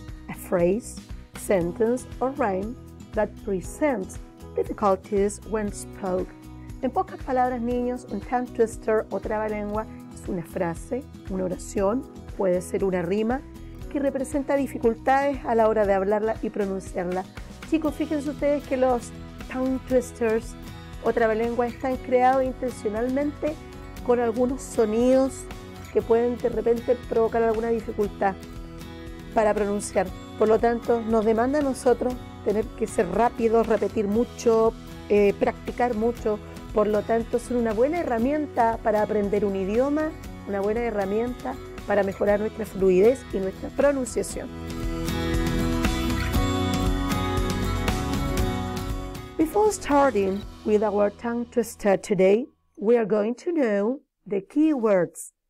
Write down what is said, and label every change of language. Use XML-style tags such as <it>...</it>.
<en>A phrase, sentence, or rhyme that presents difficulties when spoke.</en> <es>En pocas palabras, niños, un tongue twister o trabalengua es una frase, una oración, puede ser una rima, que representa dificultades a la hora de hablarla y pronunciarla. Chicos, fíjense ustedes que los tongue twisters o trabalengua están creados intencionalmente con algunos sonidos que pueden de repente provocar alguna dificultad para pronunciar. Por lo tanto, nos demanda a nosotros tener que ser rápidos, repetir mucho, practicar mucho. Por lo tanto, son una buena herramienta para aprender un idioma, una buena herramienta para mejorar nuestra fluidez y nuestra pronunciación.</es> <en>Before starting with our tongue twister today, we are going to know the keywords.</en>